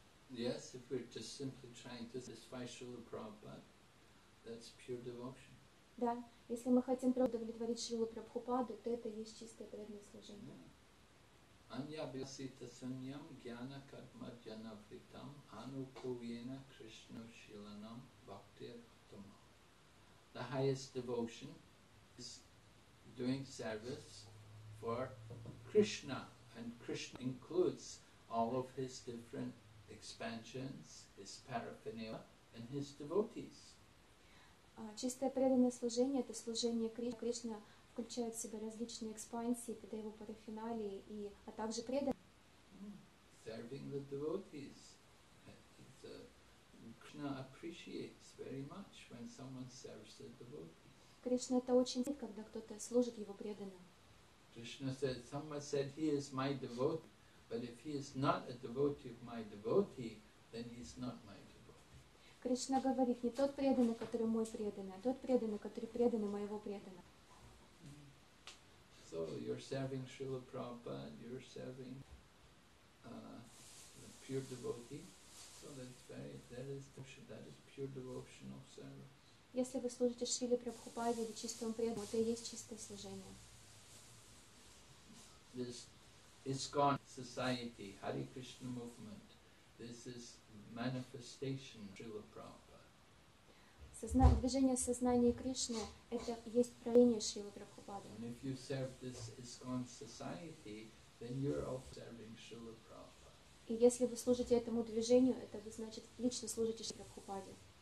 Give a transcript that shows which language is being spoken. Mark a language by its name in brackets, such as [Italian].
[English] Yes, if we're just simply trying to satisfy Srila Prabhupada, that's pure devotion. [Russian] Да, если мы хотим удовлетворить Шрилу Прабхупаду, то это есть чистое преданное служение. [Sanskrit] Anya Vyasita Sunyam Jnana Karma Jnana Vritam Anukuvena Krishna Shilanam Bhaktir Uttama. [English] The highest devotion is doing service for Krishna, and Krishna includes all of his different expansions, his paraphernalia, and his devotees. [Russian] Чистое преданное служение – это служение Кришне. Кришна включает в себя различные экспансии, это его парафиналии, и, а также преданные. [English] Serving the devotees. Krishna appreciates very much when someone serves the devotees. [Russian] Кришна это очень ценит, когда кто-то служит его преданным. [English] Krishna said, someone said, he is my devotee, but if he is not a devotee of my devotee, then he is not my devotee. [Russian] Кришна говорит, не тот преданный, который мой преданный, а тот преданный, который преданный моего преданного. [English] So you're serving Srila Prabhupada, you're serving the pure devotee. So that is pure devotional service. [Russian] Если вы служите Шриле Прабхупаде или чистому преданному, это и есть чистое служение. [English] This ISKCON society, Hare Krishna movement, this is manifestation of Srila Prabhupada. [Russian] Движение сознания Кришны – это есть проявление Шрилы Прабхупады. [English] And if you serve this ISKCON society, then you're also serving Srila Prabhupada. [Russian] И если вы служите этому движению, это вы, значит, лично служите Шриле Прабхупаде.